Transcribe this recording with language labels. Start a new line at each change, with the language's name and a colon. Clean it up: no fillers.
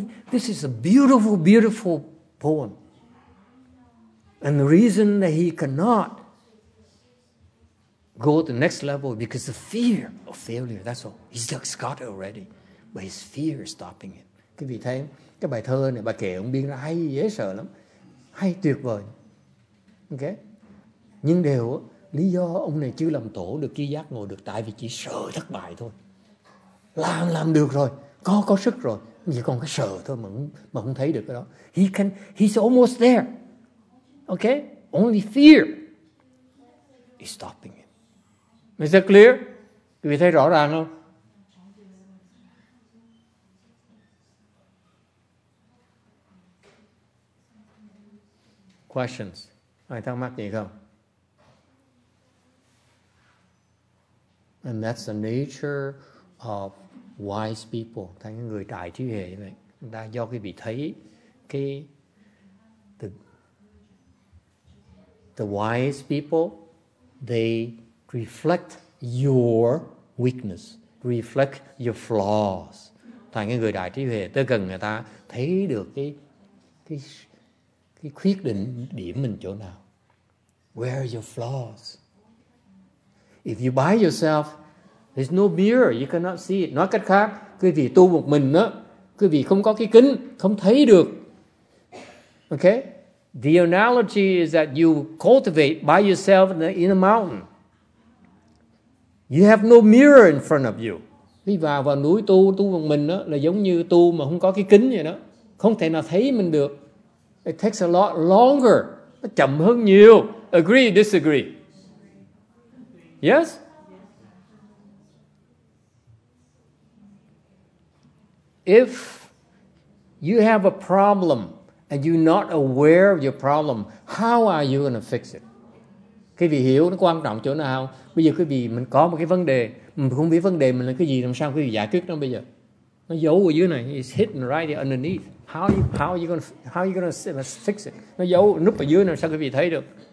English: This is a beautiful, beautiful poem. And the reason that he cannot go to the next level is because the fear of failure, that's all. He's like Scott already, but his fear is stopping him.
Vietnamese: Quý vị thấy, cái bài thơ này, bà kể ông biên ra hay, dễ sợ lắm. Hay, tuyệt vời. Ok? Nhưng đều, lý do ông này chưa làm tổ được, chưa giác ngộ được, tại vì chỉ sợ thất bại thôi. Làm được rồi, có sức rồi, chỉ còn cái sợ thôi mà không thấy được cái đó.
English: He's almost there. Okay? Only fear is stopping him. Is that clear?
Vietnamese: Quý vị thấy rõ ràng không?
English: Questions?
Vietnamese: Ai thắc mắc gì không?
English: And that's the nature of wise people,
Vietnamese: thành người đại trí hệ như vậy, người ta do cái vị thấy cái
English: the wise people, they reflect your weakness, reflect your flaws.
Vietnamese: Thành người đại trí hệ tới gần người ta thấy được cái khuyết điểm mình chỗ nào.
English: Where are your flaws? If you by yourself, there's no mirror, you cannot see it.
Vietnamese: Nói cách khác, quý vị tu một mình á, quý vị không có cái kính, không thấy được.
English: Okay? The analogy is that you cultivate by yourself in a mountain. You have no mirror in front of you.
Vietnamese: Đi vào núi tu một mình á, là giống như tu mà không có cái kính vậy đó. Không thể nào thấy mình được.
English: It takes a lot longer.
Vietnamese: Nó chậm hơn nhiều.
English: Agree, disagree? Yes? If you have a problem and you're not aware of your problem, how are you going to fix it?
Vietnamese: Quý vị hiểu nó quan trọng chỗ nào? Bây giờ quý vị mình có một cái vấn đề, mình không biết vấn đề mình là cái gì, làm sao quý vị giải quyết nó bây giờ? Nó giấu ở dưới này,
English: it's hidden right there underneath. How are you going to fix it?
Vietnamese: Nó giấu núp ở dưới này, sao quý vị thấy được?